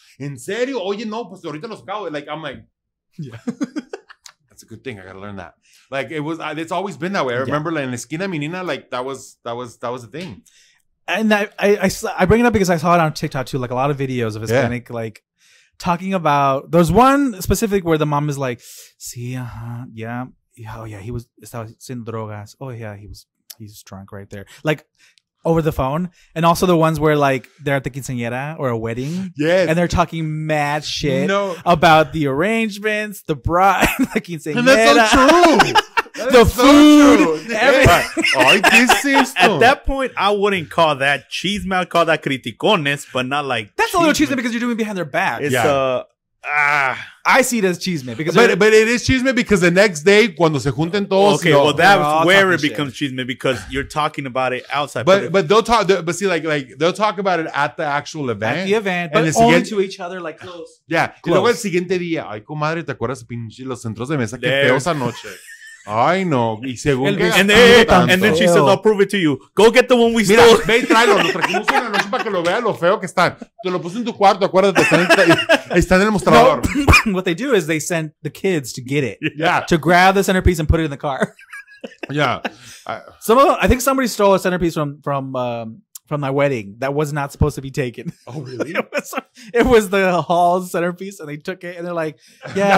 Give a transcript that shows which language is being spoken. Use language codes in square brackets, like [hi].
[es] En serio, oye, no, pues ahorita los acabo. [en] Like, I'm like, yeah. That's a good thing. I gotta learn that. Like, it was, it's always been that way. I remember, yeah, like, [es] en la esquina, mi nina, [en] like, that was the thing. And I bring it up because I saw it on TikTok too, like a lot of videos of Hispanic, yeah, like, talking about, there's one specific where the mom is like, sí, yeah, oh yeah, he was, [es] estaba sin drogas, [en] oh yeah, he's drunk right there, like over the phone. And also the ones where like they're at the quinceañera or a wedding, yes, and they're talking mad shit, no, about the arrangements, the bride, the quinceañera, and that's so true. That the food, so everything. Right. At that point, I wouldn't call that chisme. I'd call that criticones, but not like that's chisme. A little chisme because you're doing it behind their back. It's, yeah. I see it as chisme because, but it is chisme because the next day, [es] cuando se junten todos, [en] okay, well, that's where it becomes shit. Chisme because you're talking about it outside. But they'll talk, but see, like they'll talk about it at the actual event. At the event, but only to each other, like close. Yeah. [es] Y luego el siguiente día, ay, comadre, ¿te acuerdas pinche los centros de mesa que feo esa noche? Ay, no. Y según que [en] and then she says, I'll prove it to you. Go get the one we [es] mira, [en] stole. [es] Ve y tráelo. Lo trajimos en la noche para que lo vea lo feo que están. Te lo puse en tu cuarto, acuérdate. Está en el mostrador. No. [en] What they do is they send the kids to get it. Yeah. To grab the centerpiece and put it in the car. Yeah. I think somebody stole a centerpiece from my wedding that was not supposed to be taken. Oh, really? It was the hall's centerpiece, and they took it, and they're like, yeah.